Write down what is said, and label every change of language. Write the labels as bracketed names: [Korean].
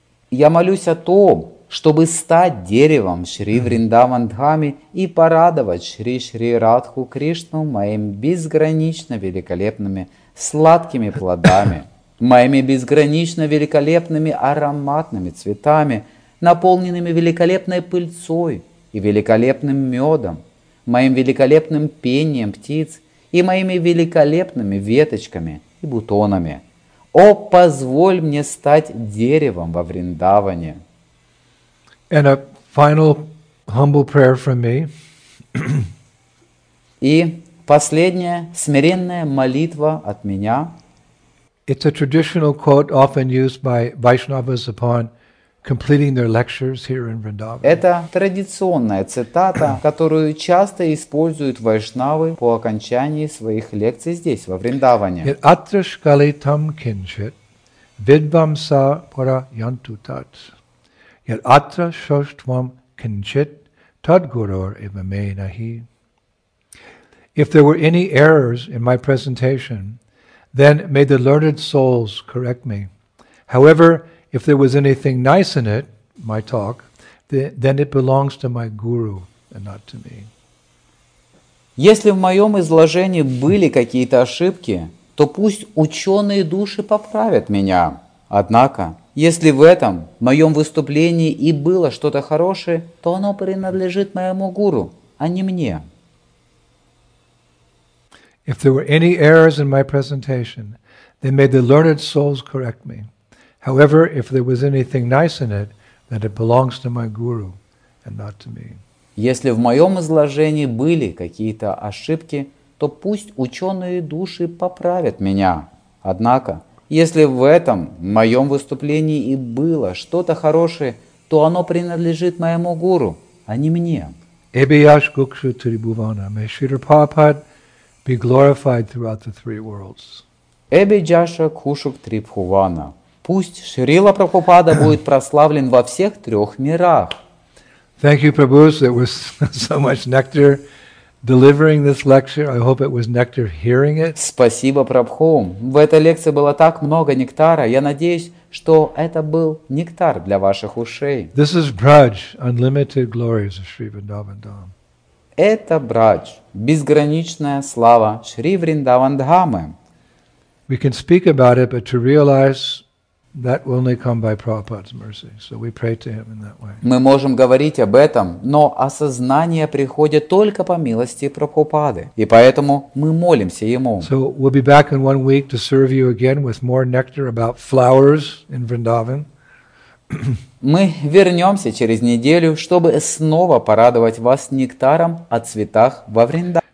[Russian] Я молюсь о том, чтобы стать деревом Шри Вриндаван Дхами и порадовать Шри Шри Радху Кришну моими безгранично великолепными сладкими плодами, моими безгранично великолепными ароматными цветами, наполненными великолепной пыльцой и великолепным медом, моим великолепным пением птиц и моими великолепными веточками и бутонами. О, позволь мне стать деревом во Вриндаване. [English] And a final humble prayer from me. [Russian] И последняя смиренная молитва от меня. [English] It's a traditional quote often used by Vaishnavas upon completing their lectures here in Vrindavan. [Russian] Это традиционная цитата, которую часто используют вайшнавы по окончании своих лекций здесь, во Вриндаване. [Sanskrit] Yat-atrashkalitam kinchit vidvamsa parayantutat. Yat-atrashoshtvam kinchit tadgurur evamenahi. [English] If there were any errors in my presentation, then may the learned souls correct me. However, if there was anything nice in it, my talk, then it belongs to my guru and not to me. [Russian] Если в моем изложении были какие-то ошибки, то пусть ученые души поправят меня. Однако, если в этом моем выступлении и было что-то хорошее, то оно принадлежит моему гуру, а не мне. [English] If there were any errors in my presentation, then may the learned souls correct me. However, if there was anything nice in it, then it belongs to my guru and not to me. [Russian] Если в моем изложении были какие-то ошибки, то пусть ученые души поправят меня. Однако, если в этом моем выступлении и было что-то хорошее, то оно принадлежит моему гуру, а не мне. [Sanskrit] Эбияш Гукшу Трибувана, [English] may Шрила Прабхупад be glorified throughout the three worlds. [Sanskrit] Эбияш Гукшу Трибувана, [Russian] пусть Шрила Прабхупада будет прославлен во всех трех мирах. [English] Thank you, Prabhu. It was so much nectar delivering this lecture. I hope it was nectar hearing it. [Russian] Спасибо, Прабху. В этой лекции было так много нектара. Я надеюсь, что это был нектар для ваших ушей. [English] This is Braj, unlimited glories of Sri Vrindavan Dham. [Russian] Это Брадж, безграничная слава Шри Вриндаван Дхамы. [English] We can speak about it, but to realize that will only come by Prabhupada's mercy. So we pray to him in that way. [Russian] Мы можем говорить об этом, но осознание приходит только по милости Прабхупады. И поэтому мы молимся ему. [English] So we'll be back in 1 week to serve you again with more nectar about flowers in Vrindavan. [Russian] Мы вернемся через неделю, чтобы снова порадовать вас нектаром о цветах во Вриндаване.